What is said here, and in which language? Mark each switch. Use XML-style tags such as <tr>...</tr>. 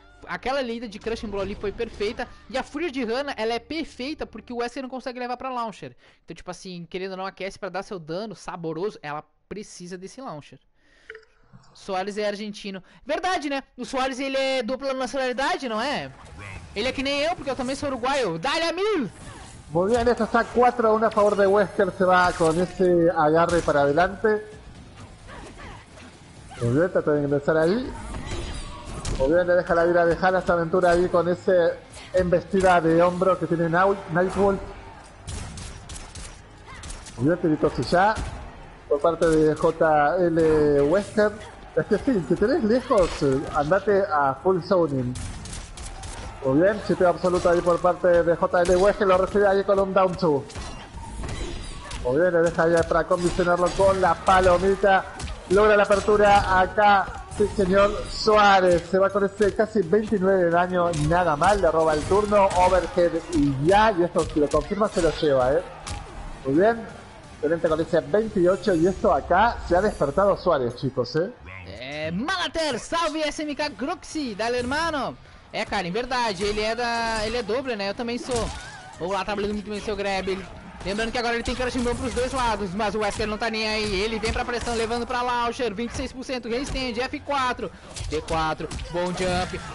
<pt>Aquela lida de Crushing Blow ali foi perfeita. E a Fúria de Hanna, ela é perfeita porque o Wesker não consegue levar pra Launcher. Então, tipo assim, querendo ou não, a Cassie, pra dar seu dano saboroso, ela precisa desse Launcher. Suárez é argentino. Verdade, né? O Suárez, ele é dupla nacionalidade, não é? Ele é que nem eu, porque eu também sou uruguaio.</pt> <es>Dale a mil! Muy bien, esto está 4-1 a favor de Wesker. Se va con ese agarre para adelante. Muy bien, trata de ingresar ahí. Muy bien, le deja la vida de Hanna, esta aventura ahí con esa embestida de hombro que tiene Nightwolf. Muy bien, tirito ya por parte de JL Wesker. Es que sí, si tenés lejos, andate a full zoning. Muy bien, chipeo absoluto ahí por parte de JL Wesker, lo recibe ahí con un down 2. Muy bien, le deja ahí para condicionarlo con la palomita. Logra la apertura acá. Sí, señor Suárez, se va con ese casi 29 de daño, nada mal, le roba el turno, overhead y ya, y esto si lo confirma se lo lleva, ¿eh? Muy bien, excelente con ese 28 y esto acá se ha despertado Suárez, chicos, ¿eh? Malater, salve SMK Gruxy, dale hermano.</es> <pt>É, cara, em verdade, ele é doble, né? Eu também sou. Vamos lá, trabalhando muito bem seu grab. Lembrando que agora ele tem Crushing Blow pros dois lados, mas o Wesker não tá nem aí. Ele vem pra pressão, levando pra Launcher, 26%, restende, F4, T4, bom jump.</pt>